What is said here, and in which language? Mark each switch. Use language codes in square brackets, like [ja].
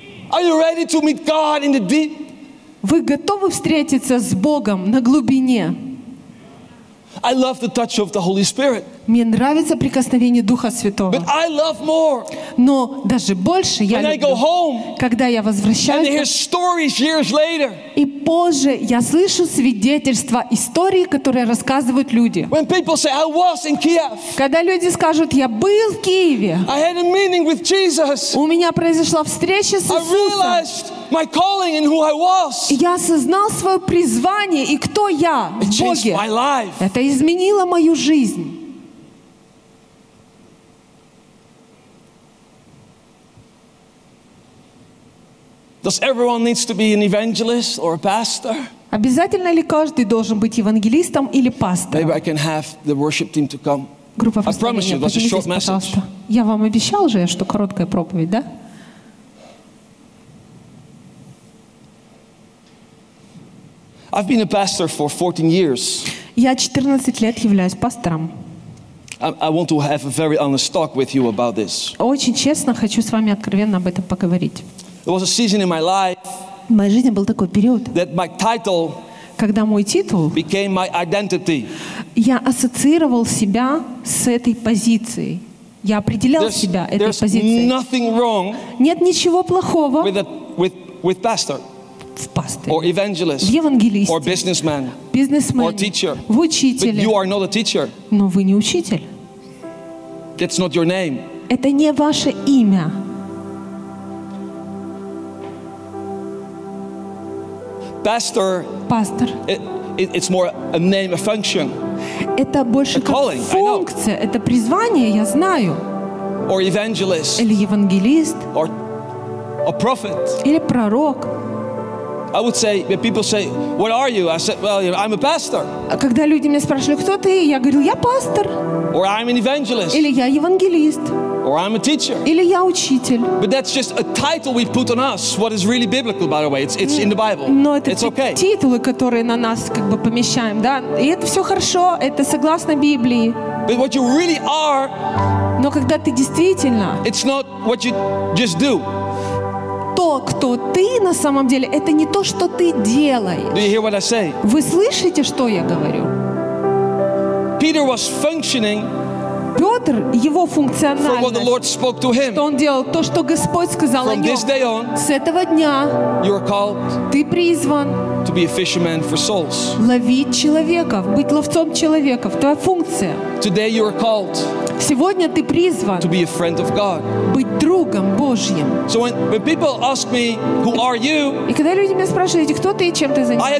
[en] Are you ready to meet God in the deep? [ru] Вы готовы встретиться с Богом на глубине? [en] I love the touch of the Holy Spirit. [ru] Мне нравится прикосновение Духа Святого. [en] But I love more. [ru] Но даже больше я [en] when [ru] люблю, [en] I go home, [ru] когда я возвращаюсь, [en] and hear stories years later. [ru] И позже я слышу свидетельства, истории, которые рассказывают люди. [en] When people say, I was in Kiev. [ru] Когда люди скажут, я был в Киеве, [en] I had a meeting with Jesus. [ru] У меня произошла встреча с Иисусом, [en] I realized my calling and who I was. [ru] Я осознал свое призвание и кто я в [en] It changed [ru] Боге. [en] My life. [ru] Это изменило мою жизнь. [en] Does everyone needs to be an evangelist or a pastor? [ru] Обязательно ли каждый должен быть евангелистом или пастором? [en] Maybe I can have the worship team to come. Группа, I promise you, that's a short message. [ru] Я вам обещал же, что короткая проповедь, да? [en] I've been a pastor for 14 years. [ru] Я 14 лет являюсь пастором. [en] I want to have a very honest talk with you about this. [ru] Очень честно хочу с вами откровенно об этом поговорить. [en] It was a season in my life. [ru] В моей жизни был такой период. [en] That my title. [ru] Когда мой титул. [en] Became my identity. [ru] Я ассоциировал себя с этой позицией. Я определял себя этой [en] there's [ru] позицией. [en] There's nothing wrong. [ru] Нет ничего плохого. [en] With pastor. [ru] В пасторе. [en] Or evangelist. [ru] В евангелисте. [en] Or businessman. [ru] Бизнесмен. [en] Or teacher. [ru] В учителе. [en] But you are not a teacher. [ru] Но вы не учитель. [en] It's not your name. [ru] Это не ваше имя. [en] Pastor. It's more a name, a function. [ru] Это больше как функция, это призвание, я знаю. [en] Or evangelist. [ru] Или евангелист. [en] Or a prophet. [ru] Или пророк. [en] I would say, when people say, "What are you?" I said, "Well, you know, I'm a pastor." [ru] Когда люди меня спрашивали, кто ты, я говорил, я пастор. [en] Or I'm an evangelist. [ru] Или я евангелист. [en] Or I'm a teacher. [ru] Или я учитель. [en] But that's just a title we put on us. What is really biblical, by the way, it's in the Bible. [ru] Но это [en] it's okay. [ru] Титулы, которые на нас как бы помещаем, да, и это все хорошо, это согласно Библии. [en] But what you really are. [ru] Но когда ты действительно. [en] It's not what you just do. [ru] то, кто ты на самом деле, это не то, что ты делаешь. [en] Do you hear what I say? [ru] Вы слышите, что я говорю? [en] Peter was functioning. [ru] Петр, его функциональность, [en] from what the Lord spoke to him. [ru] Что он делал, то, что Господь сказал [en] from [ru] о нем. [en] This day on, [ru] с этого дня [en] you are called, [ru] ты призван [en] to be a fisherman for souls. [ru] Ловить человеков, быть ловцом человеков. Твоя функция. [en] Today you are called, [ru] сегодня ты призван [en] to be a friend of God. [ru] Быть другом Божьим. [en] So when people ask me, who are you, [ru] и когда люди меня спрашивают, кто ты и чем ты занимаешься,